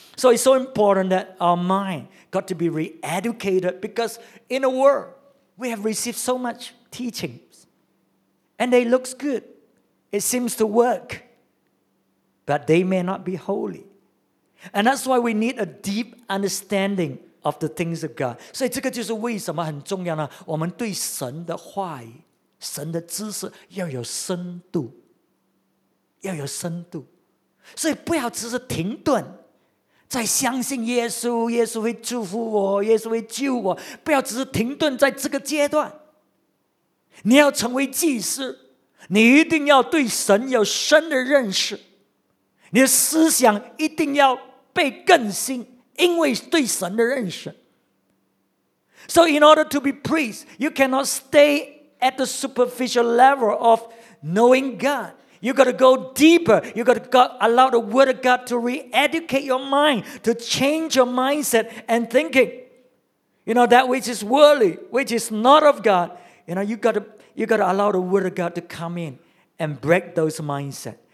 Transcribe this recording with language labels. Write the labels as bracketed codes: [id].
[en] So it's so important that our mind got to be re-educated, because in the world we have received so much teachings and they look good, it seems to work, but they may not be holy. And that's why we need a deep understanding of the things of God. [zh] 所以这个就是为什么很重要呢，我们对神的话语，神的知识要有深度，要有深度。所以不要只是停顿在相信耶稣，耶稣会祝福我，耶稣会救我，不要只是停顿在这个阶段。你要成为祭司，你一定要对神有深的认识，你的思想一定要被更新，因为对神的认识。 [en] So in order to be priest, you cannot stay at the superficial level of knowing God. You got to go deeper. You got to allow the word of God to re-educate your mind, to change your mindset and thinking. You know, that which is worldly, which is not of God. You know, you got to allow the word of God to come in and break those mindset.